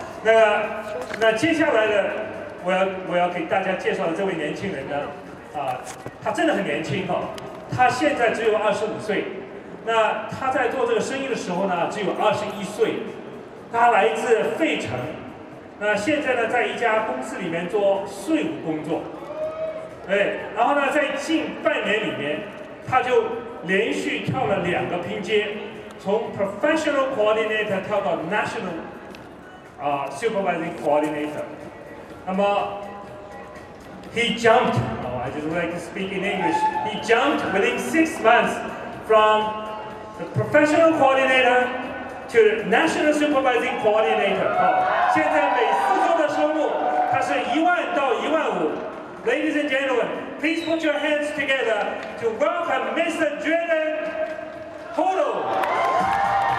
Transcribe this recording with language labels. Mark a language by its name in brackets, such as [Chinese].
[Chinese] 那接下来呢，我要给大家介绍的这位年轻人呢，他真的很年轻哈，他现在只有25岁，那他在做这个生意的时候呢，只有21岁，他来自费城，那现在呢，在一家公司里面做税务工作。对，然后呢，在近半年里面，他就连续跳了2个拼接，从 professional coordinator 跳到 national 啊 supervising coordinator。那么 [English] he jumped， I just like to speak in English. He jumped within 6 months from the professional coordinator to the national supervising coordinator。 [Chinese] 现在每4周的收入，他是1万到1万5。 [English] Ladies and gentlemen, please put your hands together to welcome Mr. Jordan Hodo.